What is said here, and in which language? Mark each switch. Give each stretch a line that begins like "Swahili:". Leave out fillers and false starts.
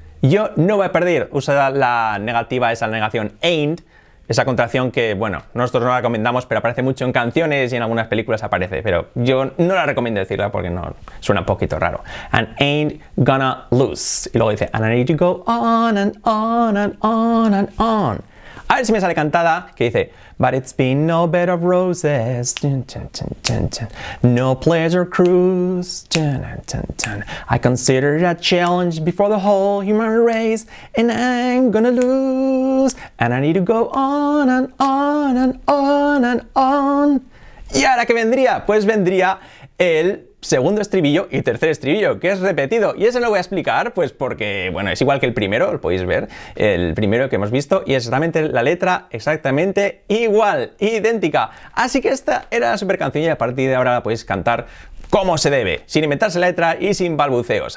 Spanish: Yo no voy a perder, usa la negativa, esa negación ain't, esa contracción que, bueno, nosotros no la recomendamos, pero aparece mucho en canciones y en algunas películas aparece, pero yo no la recomiendo decirla porque no, suena un poquito raro.
English: And ain't gonna lose.
Spanish: Y luego dice,
English: and I need to go on and on and on and on.
Spanish: A ver si me sale cantada, que dice,
English: but it's been no bed of roses,
Spanish: dun, dun, dun, dun, dun.
English: No pleasure cruise, dun, dun, dun, dun. I consider it a challenge before the whole human race, and I'm gonna lose, and I need to go on and on and on and on.
Spanish: ¿Y ahora qué vendría? Pues vendría el segundo estribillo y tercer estribillo, que es repetido. Y ese lo voy a explicar, pues porque, bueno, es igual que el primero, lo podéis ver, el primero que hemos visto, y es exactamente la letra, exactamente igual, idéntica. Así que esta era la super canción y a partir de ahora la podéis cantar como se debe, sin inventarse la letra y sin balbuceos.